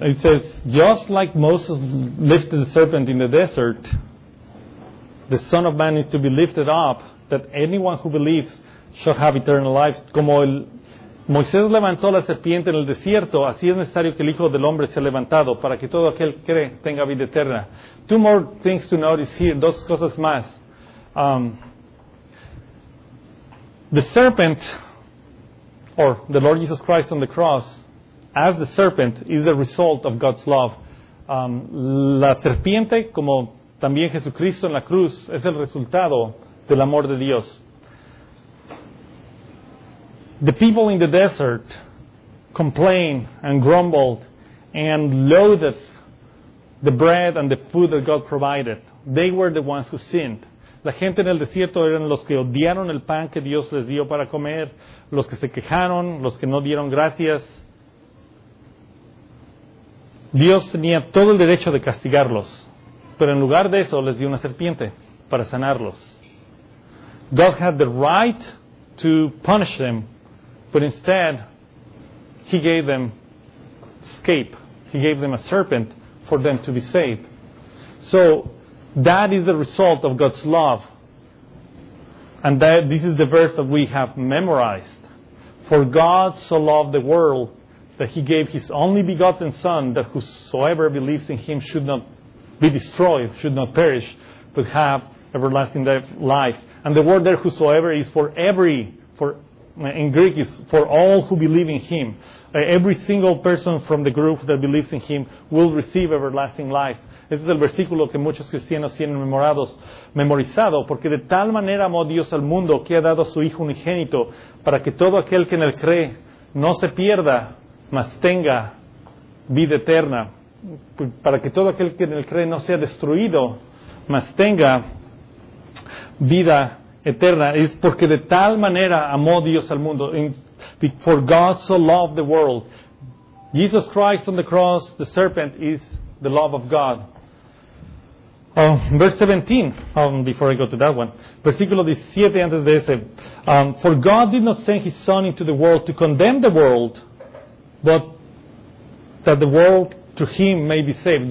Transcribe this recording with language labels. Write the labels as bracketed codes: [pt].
[en] It says, just like Moses lifted the serpent in the desert, the Son of Man needs to be lifted up, that anyone who believes shall have eternal life. [es] Como Moisés levantó la serpiente en el desierto, así es necesario que el Hijo del Hombre sea levantado, para que todo aquel que cree tenga vida eterna. [en] Two more things to notice here, [es] dos cosas más. [en] The serpent, or the Lord Jesus Christ on the cross, as the serpent is the result of God's love. [es] La serpiente, como también Jesucristo en la cruz, es el resultado del amor de Dios. [en] The people in the desert complained and grumbled and loathed the bread and the food that God provided. They were the ones who sinned. [es] La gente en el desierto eran los que odiaron el pan que Dios les dio para comer, los que se quejaron, los que no dieron gracias. Dios tenía todo el derecho de castigarlos, pero en lugar de eso les dio una serpiente para sanarlos. [en] God had the right to punish them, but instead he gave them escape. He gave them a serpent for them to be saved. So that is the result of God's love. And that this is the verse that we have memorized. For God so loved the world that he gave his only begotten Son, that whosoever believes in him should not be destroyed, should not perish, but have everlasting life. And the word there, whosoever, is for every, for in Greek, is for all who believe in him. Every single person from the group that believes in him will receive everlasting life. [es] Este es el versículo que muchos cristianos tienen memorizado, porque de tal manera amó Dios al mundo que ha dado a su Hijo unigénito para que todo aquel que en él cree no se pierda, mas tenga vida eterna. Para que todo aquel que en él cree no sea destruido, mas tenga vida eterna. Es porque de tal manera amó Dios al mundo. [en] For God so loved the world. Jesus Christ on the cross, the serpent, is the love of God. Verse 17, before I go to that one. [es] Versículo 17 antes de ese. [en] For God did not send his Son into the world to condemn the world, but that the world through him may be saved.